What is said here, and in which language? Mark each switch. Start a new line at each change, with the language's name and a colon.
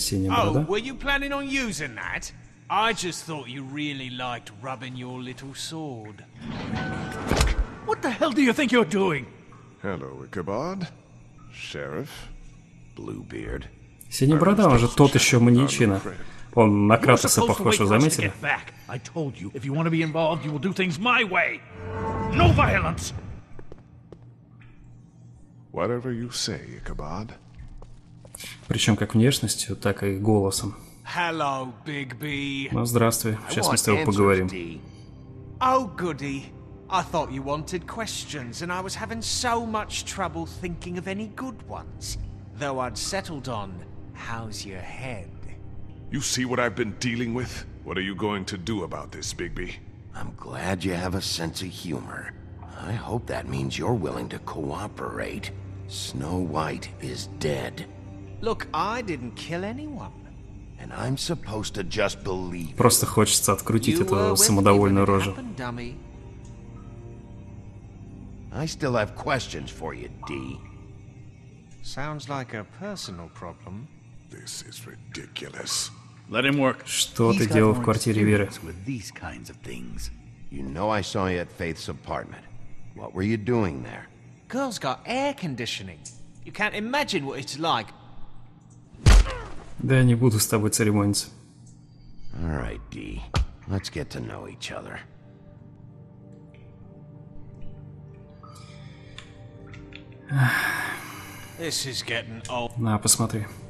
English: Oh, were you planning on using that? I just thought you really liked rubbing your little sword. What the hell do you think you're doing? Hello, Ichabod. Sheriff. Bluebeard.
Russian: Синеборода, он же тот еще маньячина. Он на Кратоса похож, вы заметили?
English: I told you, if you want to be involved, you will do things my way. No violence! Whatever you say, Ichabod.
Russian: Причем как внешностью, так и голосом.
English: Hello, Bigby.
Russian: Ну, здравствуй. Сейчас мы с тобой поговорим.
English: Oh, goody. I thought you wanted questions, and I was having so much trouble thinking of any good ones. Though I'd settled on, how's your head? You see what I've been dealing with? What are you going to do about this, Bigby? I'm glad you have a sense of humor. I hope that means you're willing to cooperate. Snow White is dead. Look, I didn't kill anyone. And I'm supposed to just believe.
Russian: Просто хочется открутить эту самодовольную рожу.
English: I still have questions for you, Dee. Sounds like a personal problem. This is ridiculous. Let him work.
Russian: Что ты делал в квартире Веры?
English: These kinds of things. You know I saw you at Faith's apartment. What were you doing there? Girl's got air conditioning. You can't imagine what it's like.
Russian: Да я не буду с тобой церемониться.
English: All right, Dee. Let's get to know each other. This is getting old.
Russian: На, посмотри.